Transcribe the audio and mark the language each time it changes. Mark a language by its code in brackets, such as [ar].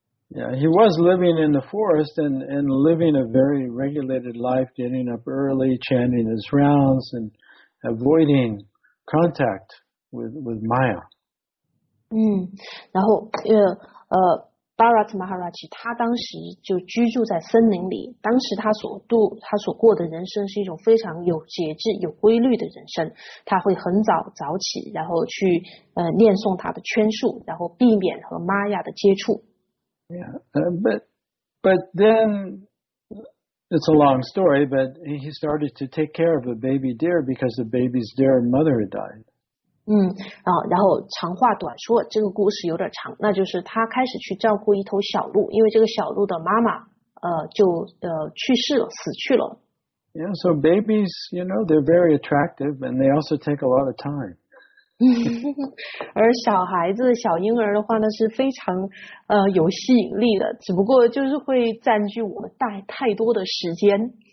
[en] Yeah, he was living in the forest and living a very regulated life, getting up early, chanting his rounds, and avoiding contact with Maya. [zh] 然后Bharat Maharaj 他当时就居住在森林里，当时他所过的人生是一种非常有节制有规律的人生，他会很早早起，然后去念诵他的圈数，然后避免和玛雅的接触。 [en] But then it's a long story, but he started to take care of a baby deer because the baby's deer mother had died. [zh] 然后长话短说，这个故事有点长，那就是他开始去照顾一头小鹿，因为这个小鹿的妈妈去世了，死去了。 [en] Yeah, so babies, you know, they're very attractive and they also take a lot of time. [zh] 而小孩子小婴儿的话呢是非常有吸引力的，只不过就是会占据我们太多的时间。